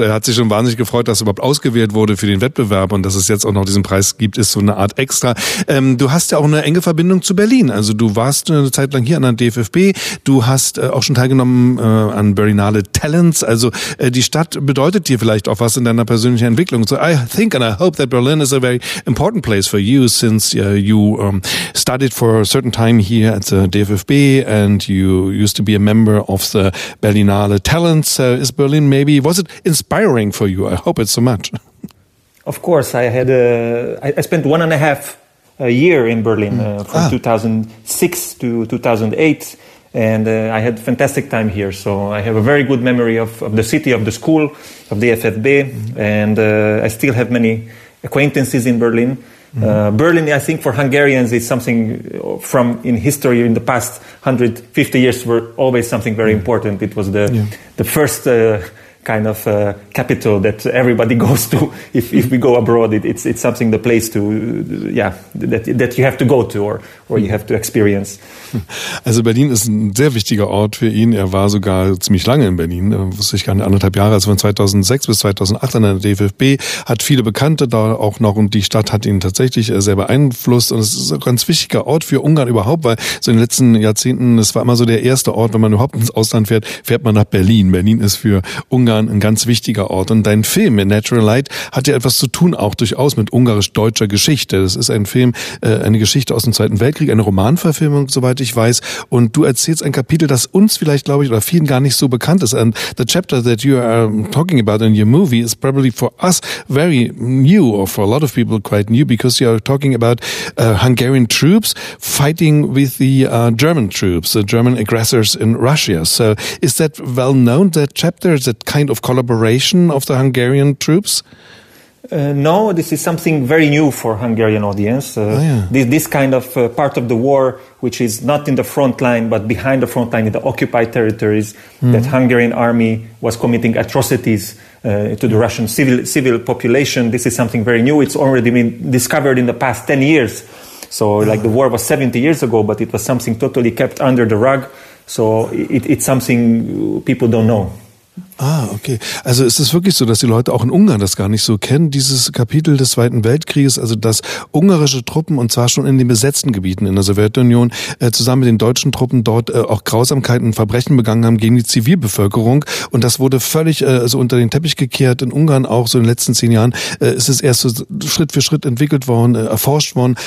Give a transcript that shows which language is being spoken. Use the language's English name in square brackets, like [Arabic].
[German] Er hat sich schon wahnsinnig gefreut, dass er überhaupt ausgewählt wurde für den Wettbewerb. Und dass es jetzt auch noch diesen Preis gibt, ist so eine Art extra. Du hast ja auch eine enge Verbindung zu Berlin. Also du warst eine Zeit lang hier an der DFB. Du hast auch schon teilgenommen an Berlinale Talents. Also die Stadt bedeutet dir vielleicht auch was in deiner persönlichen Entwicklung. [English] So I think and I hope that Berlin is a very important place for you since you studied for a certain time here at the DFB and you used to be a member of the Berlinale Talents. Is Berlin maybe, was it inspiring for you? I hope it's so much. Of course, I spent 1.5 year in Berlin from 2006 to 2008. And I had a fantastic time here. So I have a very good memory of the city, of the school, of the FFB. Mm-hmm. And I still have many acquaintances in Berlin. Mm-hmm. Berlin, I think for Hungarians, is something from in history, in the past 150 years, were always something very important. It was the first kind of capital that everybody goes to if we go abroad. It's something, the place to that you have to go to or you have to experience. [German] Also Berlin ist ein sehr wichtiger Ort für ihn. Er war sogar ziemlich lange in Berlin, wusste ich gar nicht, 1,5 Jahre, also von 2006 bis 2008 an der DFB, hat viele Bekannte da auch noch und die Stadt hat ihn tatsächlich sehr beeinflusst und es ist ein ganz wichtiger Ort für Ungarn überhaupt, weil so in den letzten Jahrzehnten, es war immer so der erste Ort, wenn man überhaupt ins Ausland fährt, fährt man nach Berlin. Berlin ist für Ungarn ein ganz wichtiger Ort. Und dein Film Natural Light hat ja etwas zu tun, auch durchaus mit ungarisch-deutscher Geschichte. Das ist ein Film, eine Geschichte aus dem Zweiten Weltkrieg, eine Romanverfilmung, soweit ich weiß. Und du erzählst ein Kapitel, das uns vielleicht, glaube ich, oder vielen gar nicht so bekannt ist. [English] And the chapter that you are talking about in your movie is probably for us very new, or for a lot of people quite new, because you are talking about Hungarian troops fighting with the German troops, the German aggressors in Russia. So is that well known, that chapter, that kind of collaboration of the Hungarian troops? No, this is something very new for Hungarian audience. This kind of part of the war, which is not in the front line, but behind the front line in the occupied territories, that Hungarian army was committing atrocities to the Russian civil population. This is something very new. It's already been discovered in the past 10 years. So like the war was 70 years ago, but it was something totally kept under the rug. So it's something people don't know. Ah, okay. [German] Also ist es wirklich so, dass die Leute auch in Ungarn das gar nicht so kennen, dieses Kapitel des Zweiten Weltkrieges, also dass ungarische Truppen und zwar schon in den besetzten Gebieten in der Sowjetunion zusammen mit den deutschen Truppen dort auch Grausamkeiten und Verbrechen begangen haben gegen die Zivilbevölkerung und das wurde völlig so unter den Teppich gekehrt in Ungarn auch so in den letzten 10 Jahren ist es erst so Schritt für Schritt entwickelt worden, erforscht worden.